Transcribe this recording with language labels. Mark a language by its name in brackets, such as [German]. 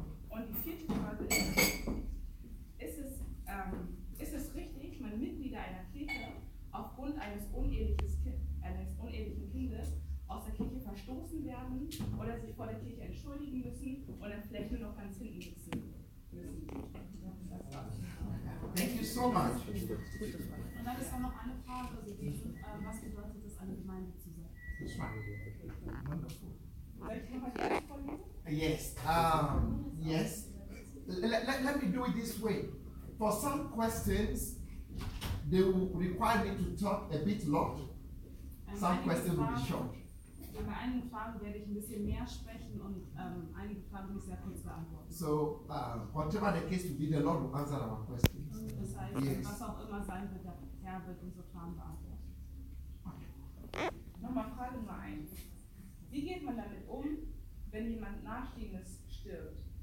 [German] Und die vierte Frage ist, ist es richtig, man Mitglieder einer Kirche aufgrund eines unehelichen Kindes aus der Kirche verstoßen werden oder sich vor der Kirche entschuldigen müssen und dann vielleicht nur noch ganz hinten sitzen müssen? [English] Thank you so much. [German] Und dann ist auch noch eine Frage, also die, was bedeutet es, eine Gemeinde zu sein? Das war wunderbar. Soll ich nochmal die Antworten? [English] Yes. Yes. Let me do it this way. For some questions, they will require me to talk a bit long. Some questions will be short. [German] Bei einigen Fragen werde ich ein bisschen mehr sprechen und einige Fragen will ich sehr kurz beantworten. [English] So, whatever the case will be, the Lord will answer our questions. [German] Das heißt, yes. Was auch immer sein wird, der Herr wird unsere Fragen beantworten. Nochmal Frage Nummer 1. Wie geht man damit um, wenn jemand Nachstehendes stirbt?